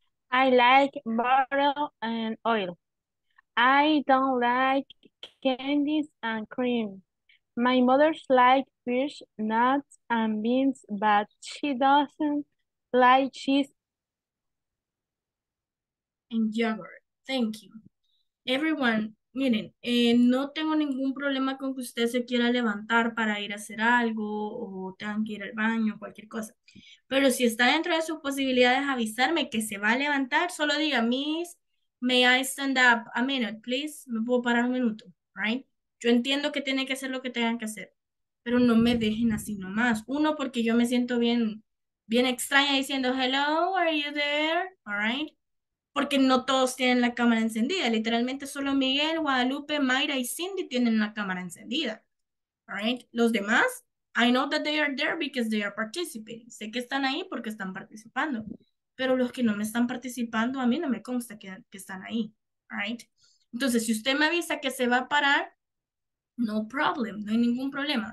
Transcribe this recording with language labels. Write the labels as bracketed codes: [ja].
[en] I like butter and oil. I don't like candies and cream. My mother likes fish, nuts, and beans, but she doesn't like cheese. And yogurt. Thank you. [es] Everyone, miren, no tengo ningún problema con que usted se quiera levantar para ir a hacer algo o tengan que ir al baño, cualquier cosa. Pero si está dentro de sus posibilidades avisarme que se va a levantar, solo diga, [en] Miss, may I stand up a minute, please? [es] Me puedo parar un minuto, right? Yo entiendo que tiene que hacer lo que tengan que hacer, pero no me dejen así nomás. Uno, porque yo me siento bien, bien extraña diciendo, [en] hello, are you there? All right. [es] Porque no todos tienen la cámara encendida. Literalmente solo Miguel, Guadalupe, Mayra y Cindy tienen la cámara encendida. [en] All right? [es] Los demás, [en] I know that they are there because they are participating. [es] Sé que están ahí porque están participando. Pero los que no me están participando, a mí no me consta que están ahí. [en] All right? [es] Entonces, si usted me avisa que se va a parar, [en] no problem, [es] no hay ningún problema.